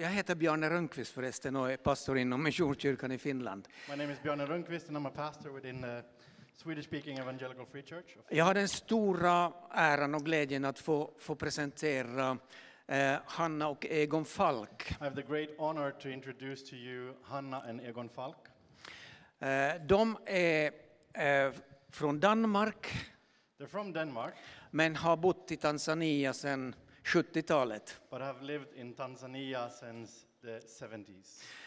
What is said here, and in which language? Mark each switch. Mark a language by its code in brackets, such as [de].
[sv] Jag heter Bjarne Rönnqvist förresten och är pastor inom Missionskyrkan i Finland. [en] My name is Bjarne Rönnqvist and I'm a pastor within the Swedish-speaking Evangelical Free Church. [sv] Jag har den stora äran och glädjen att få presentera Hanna och Egon Falk. [en] I have the great honor to introduce to you Hanna and Egon Falk. [sv] De är från Danmark. [en] They're from Denmark. [sv] Men har bott i Tanzania sedan 70-talet. [en] But have lived in Tanzania since the 70s.